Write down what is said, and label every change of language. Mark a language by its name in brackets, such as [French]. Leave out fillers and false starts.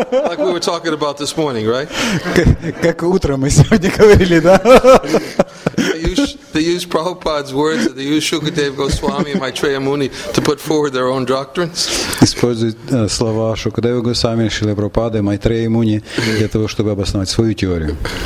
[English] Like we were talking about this morning, right? [Russian] Как утром мы сегодня говорили, да? [English] They use Prabhupada's words, they use Shukadeva Goswami and Maitreya Muni to put forward their own doctrines. [Russian] Используют слова Шукадева Госвами, Шрилы Прабхупады, Майтрея Муни для того, чтобы обосновать свою теорию.